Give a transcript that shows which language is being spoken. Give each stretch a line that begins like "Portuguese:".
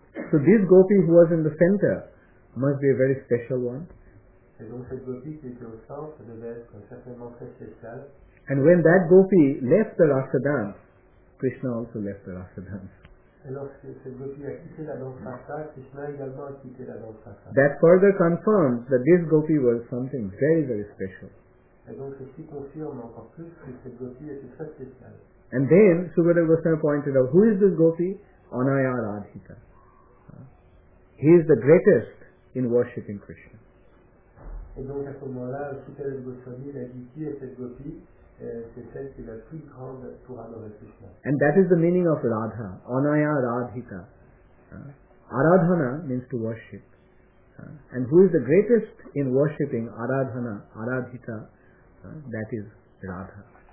English: So this gopi who was in the center must be a very special one.
French: Et donc cette gopi qui était au centre devait être certainement très spéciale.
English: And when that gopi left the Rasa dance, Krishna also left the Rasa dance.
French: Et lorsque cette gopi a quitté la danse Rasa, Krishna également a quitté la danse Rasa.
English: That further confirms that this gopi was something very, very special.
French: Et donc ceci confirme encore plus que cette gopi était très spéciale.
English: And then Sugadev Goswami pointed out, who is this gopi? Anaya Radhika. He is the greatest in worshipping Krishna.
French: Et donc à ce moment-là, Shukadev Goswami l'a dit, qui est cette gopi? C'est celle qui est la plus grande pour adorer Krishna.
English: And that is the meaning of Radha, Anaya Radhika. Aradhana means to worship. And who is the greatest in worshipping Aradhana, Aradhita, that is Radha.